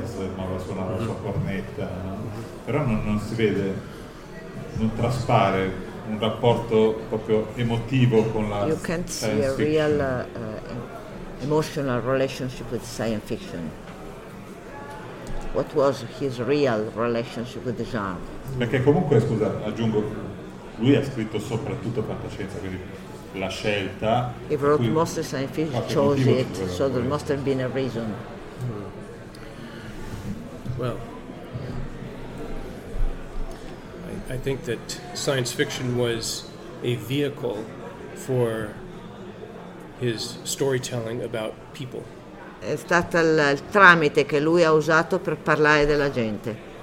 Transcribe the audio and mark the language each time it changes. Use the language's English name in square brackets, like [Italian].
[Italian] Jazz, amava suonare la sua cornetta, no? Però non si vede, non traspare un rapporto proprio emotivo con la [English] science fiction. You can't see a real emotional relationship with science fiction. What was his real relationship with the genre? [Italian] Perché comunque, scusa, aggiungo, lui ha scritto soprattutto fantascienza, quindi la scelta. [English] He wrote Most Scientific chose it, so there must have been a reason. Well, I think that science fiction was a vehicle for his storytelling about people. [Italian] È stato il tramite che lui ha usato per parlare della gente.